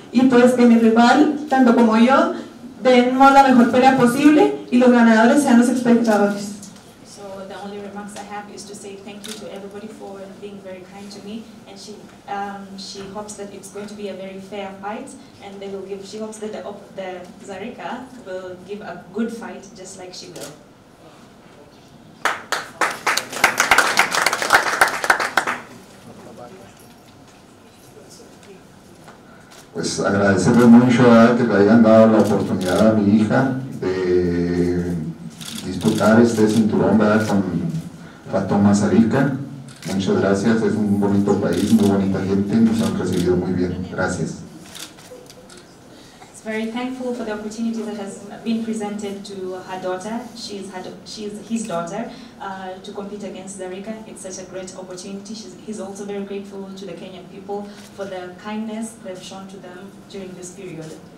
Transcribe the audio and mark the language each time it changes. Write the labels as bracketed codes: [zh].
[es] Y pues que mi rival, tanto como yo, demos la mejor pelea posible y los ganadores sean los espectadores. [en] So the only remarks I have is to say thank you to everybody for being very kind to me, and she hopes that it's going to be a very fair fight, and they will give, she hopes that the Zarika will give a good fight just like she will. [es] Pues agradecerle mucho a que le hayan dado la oportunidad a mi hija de disputar este cinturón, ¿verdad?, con Fatuma Zarika. Muchas gracias, es un bonito país, muy bonita gente, nos han recibido muy bien. Gracias. [en] It's very thankful for the opportunity that has been presented to her daughter. She's his daughter to compete against Zarika. It's such a great opportunity. He's also very grateful to the Kenyan people for the kindness they've shown to them during this period.